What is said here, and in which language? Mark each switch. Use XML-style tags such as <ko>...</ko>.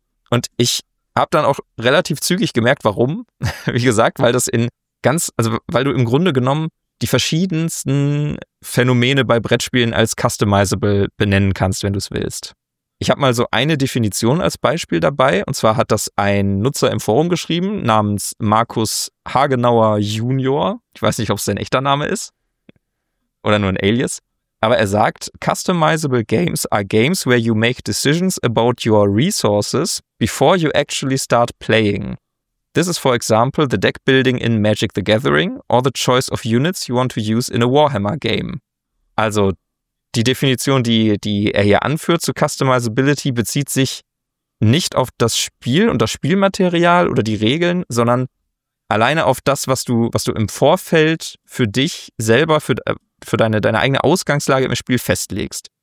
<de>Und ich habe dann auch relativ zügig gemerkt, warum. Wie gesagt, weil das in ganz, also weil du im Grunde genommen die verschiedensten Phänomene bei Brettspielen als customizable benennen kannst, wenn du es willst. Ich habe mal so eine Definition als Beispiel dabei. Und zwar hat das ein Nutzer im Forum geschrieben namens Markus Hagenauer Junior. Ich weiß nicht, ob es sein echter Name ist oder nur ein Alias. Aber er sagt,</de> <en>customizable games are games where you make decisions about your resources before you actually start playing. This is for example the deck building in Magic the Gathering or the choice of units you want to use in a Warhammer game.</en> <de>Also die Definition, die er hier anführt zu Customizability, bezieht sich nicht auf das Spiel und das Spielmaterial oder die Regeln, sondern alleine auf das, was du im Vorfeld für dich selber, für deine eigene Ausgangslage im Spiel festlegst.</de>